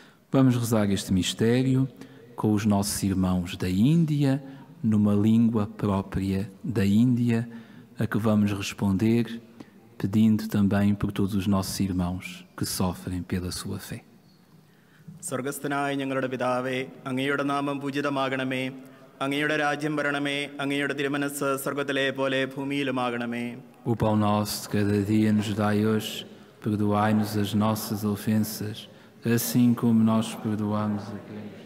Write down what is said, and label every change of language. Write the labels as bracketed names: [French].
[Portuguese] Vamos rezar este mistério com os nossos irmãos da Índia, numa língua própria da Índia, a que vamos responder pedindo também por todos os nossos irmãos que sofrem pela sua fé. [Malayalam] Sorgastanai ഞങ്ങളുടെ പിതാവേ അങ്ങയുടെ നാമം പൂജിതമാകണമേ അങ്ങയുടെ രാജ്യം വരണമേ അങ്ങയുടെ തിരുമനസ്സ് സ്വർഗ്ഗത്തിലെ പോലെ ഭൂമിയിലുമാകണമേ. [Portuguese] O pão nosso de cada dia nos dai hoje, perdoai-nos as nossas ofensas, assim como nós perdoamos a quem